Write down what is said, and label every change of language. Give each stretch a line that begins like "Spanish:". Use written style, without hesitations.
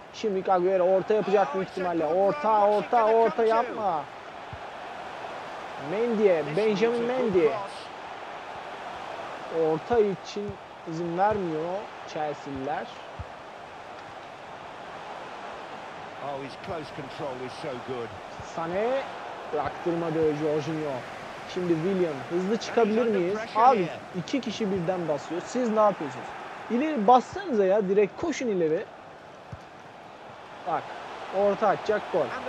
Turkish: Şimdi Agüero orta yapacak büyük ihtimalle. Orta yapma. Benjamin Mendy. Orta için izin vermiyor Chelsea'liler.
English: Oh, his close control is so good.
Turkish: Sané bıraktırmadı Jorginho. Şimdi William, hızlı çıkabilir miyiz? Abi iki kişi birden basıyor. Siz ne yapıyorsunuz? İleri bassanıza ya, direkt koşun ileri. Bak, orta atacak, gol.